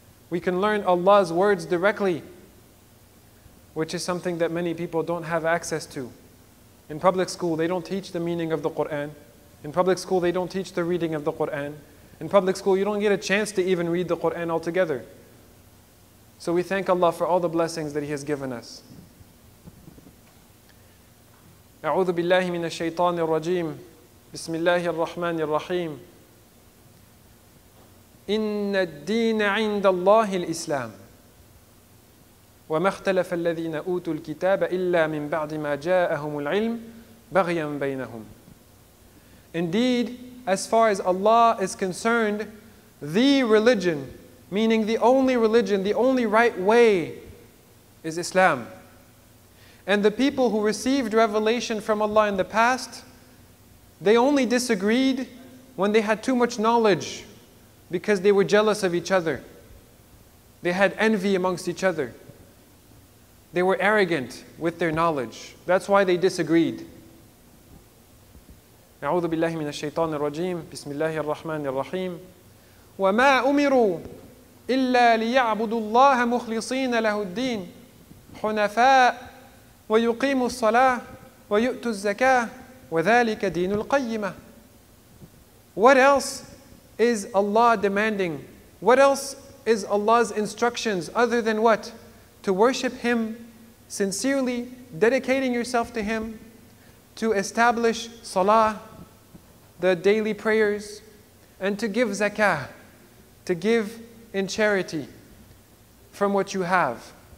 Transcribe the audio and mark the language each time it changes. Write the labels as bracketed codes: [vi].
[en] We can learn Allah's words directly, which is something that many people don't have access to. In public school, they don't teach the meaning of the Qur'an. In public school, they don't teach the reading of the Qur'an. In public school, you don't get a chance to even read the Qur'an altogether. So we thank Allah for all the blessings that He has given us. [ar] أعوذ بالله من الشيطان الرجيم بسم الله الرحمن الرحيم إن الدين عند الله الإسلام وما اختلف الذين أوتوا الكتاب إلا من بعد ما جاءهم العلم بغيا بينهم. [en] Indeed, as far as Allah is concerned, the religion, meaning the only religion, the only right way, is Islam. And the people who received revelation from Allah in the past, they only disagreed when they had too much knowledge, because they were jealous of each other. They had envy amongst each other. They were arrogant with their knowledge. That's why they disagreed. [ar] أعوذ بالله من الشيطان الرجيم بسم الله الرحمن الرحيم وما أمروا إلا ليعبدوا الله مخلصين له الدين حنفاء ويقيموا الصلاة ويؤتوا الزكاة وذلك دين القيمة. [en] What else is Allah demanding? What else is Allah's instructions other than what? To worship Him sincerely, dedicating yourself to Him, to establish salah, the daily prayers, and to give zakah, to give in charity from what you have.